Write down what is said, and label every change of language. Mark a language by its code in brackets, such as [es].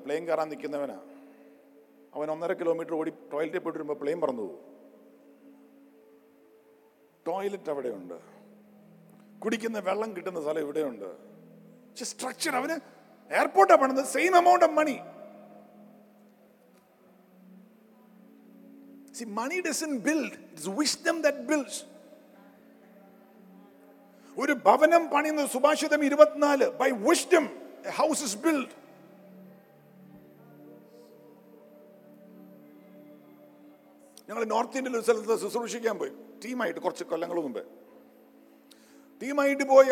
[ml] Plain കയറാൻ നിൽക്കുന്നവനാ, അവൻ 1.5 kilometers ഓടി ടോയ്ലറ്റിൽ പോയിട്ട് വരുമ്പോൾ പ്ലെയിൻ പറന്നു പോകും. ടോയ്ലറ്റ് അവിടെയുണ്ട്, കുടിക്കുന്ന വെള്ളം കിട്ടുന്ന സ്ഥലം ഇവിടെയുണ്ട്. സ്ട്രക്ചർ, അവന് എയർപോർട്ടാണ് പണിതത്, [en] Same amount of money. See, money doesn't build, it's wisdom that builds. [ml] ഒരു ഭവനം പണിയുന്ന സുഭാഷിതം 24, [en] by wisdom a house is built. [ml] ഞങ്ങൾ നോർത്ത് ഇന്ത്യയിൽ ഒരു സ്ഥലത്ത് ശുശ്രൂഷിക്കാൻ പോയി ടീമായിട്ട്, കുറച്ച് കൊല്ലങ്ങൾ മുമ്പ് ടീമായിട്ട് പോയി.